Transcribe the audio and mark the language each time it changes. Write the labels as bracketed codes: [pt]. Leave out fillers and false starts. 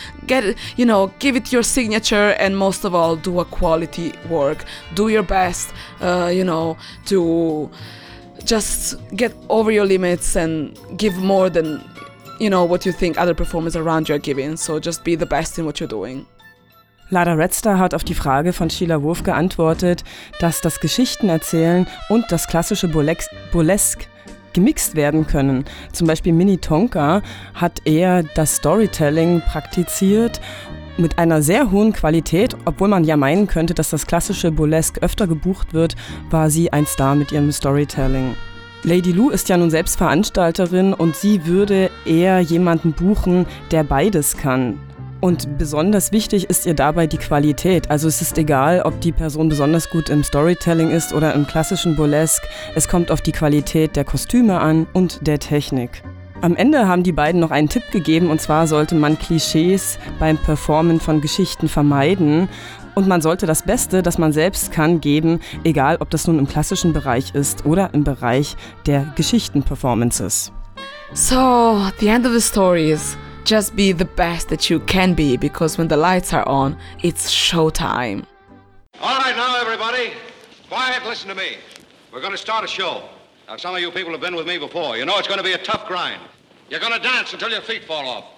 [en] Get, you know, give it your signature, and most of all, do a quality work. Do your best, you know, to just get over your limits and give more than, you know, what you think other performers around you are giving. So just be the best in what you're doing. [de] Lada Redstar hat auf die Frage von Sheila Wolf geantwortet, dass das Geschichtenerzählen und das klassische Burlesque gemixt werden können. Zum Beispiel Mini Tonka hat eher das Storytelling praktiziert mit einer sehr hohen Qualität, obwohl man ja meinen könnte, dass das klassische Burlesque öfter gebucht wird, war sie ein Star mit ihrem Storytelling. Lady Lu ist ja nun selbst Veranstalterin und sie würde eher jemanden buchen, der beides kann. Und besonders wichtig ist ihr dabei die Qualität. Also es ist egal, ob die Person besonders gut im Storytelling ist oder im klassischen Burlesque. Es kommt auf die Qualität der Kostüme an und der Technik. Am Ende haben die beiden noch einen Tipp gegeben, und zwar sollte man Klischees beim Performen von Geschichten vermeiden und man sollte das Beste, das man selbst kann, geben, egal ob das nun im klassischen Bereich ist oder im Bereich der Geschichten-Performances. [en] So, the end of the story is just be the best that you can be, because when the lights are on, it's showtime. All right now everybody, quiet, listen to me. We're gonna start a show. Now, some of you people have been with me before. You know it's going to be a tough grind. You're going to dance until your feet fall off.